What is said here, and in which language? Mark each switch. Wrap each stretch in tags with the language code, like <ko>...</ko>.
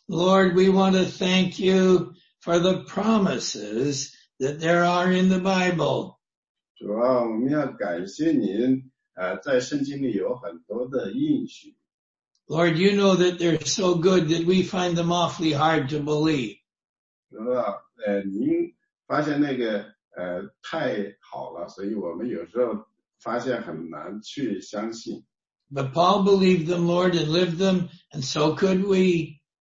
<en>Lord, we want to thank you for the promises that there are in the Bible.</en> <zh>主啊,我们要感谢您,在圣经里有很多的应许。</zh> <en>Lord, you know that they're so good that we find them awfully hard to believe.</en> <zh>主啊,您发现那个太好了,所以我们有时候发现很难去相信。</zh> <en>But Paul believed them, Lord, and lived them, and so could we.</en>